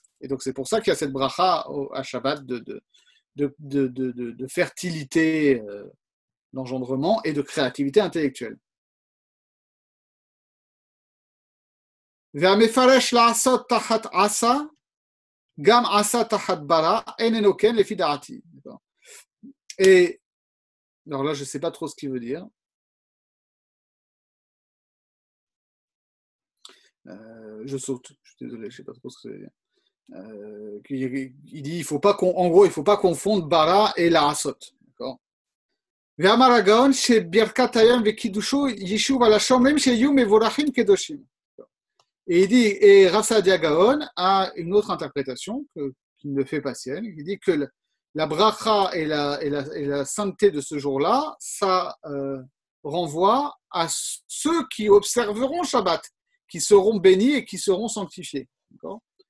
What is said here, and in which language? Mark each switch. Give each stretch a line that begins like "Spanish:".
French: Et donc c'est pour ça qu'il y a cette bracha à Shabbat de fertilité d'engendrement et de créativité intellectuelle.
Hebrew: והמפרש לעשות תחת עשה, גם עשה תחת ברא, איננו כן לפי דעתי.
French: Et, alors là, je ne sais pas trop ce qu'il veut dire. Je saute, je suis désolé, je ne sais pas trop ce qu'il veut dire. Il dit, il faut pas qu'on, en gros, il ne faut pas confondre Bara et l'asot.
Hebrew: והאמר הגאון שברכת היום וקידושו ישוב על השומרים שיהיו מבורכים קדושים.
French: Et il dit, et Rav Saadia Gaon a une autre interprétation qui ne fait pas sienne. Il dit que la bracha et la sainteté de ce jour-là, ça renvoie à ceux qui observeront Shabbat, qui seront bénis et qui seront sanctifiés. D'accord?